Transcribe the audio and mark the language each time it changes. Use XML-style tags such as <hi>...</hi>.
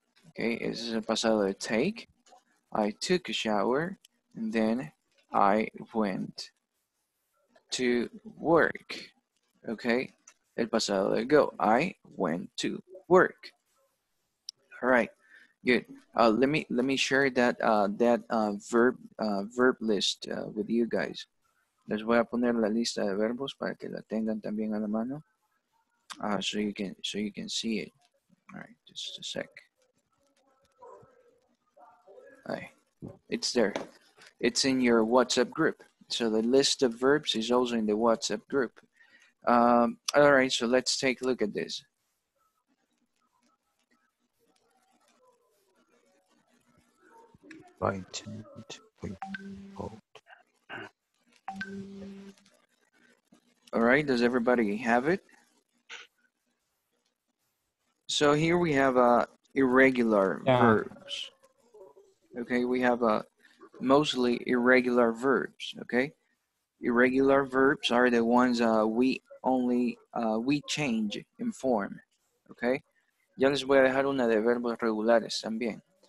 <en>Okay, this is a</en> <es>pasado de</es> <en>take. I took a shower and then I went to work. Okay,</en> <es>el pasado de</es> <en>go. I went to work. All right. Good. Let me share that verb list with you guys.</en> <es>Les voy a poner la lista de verbos para que la tengan también a la mano.</es> <en>So you can see it. All right, just a sec. All right. It's there. It's in your WhatsApp group. So the list of verbs is also in the WhatsApp group. All right, so let's take a look at this. All right, does everybody have it? So here we have irregular verbs. Okay, we have mostly irregular verbs. Okay, irregular verbs are the ones we change in form.</en> <es>Okay, ya les voy a dejar una de verbos regulares también.</es>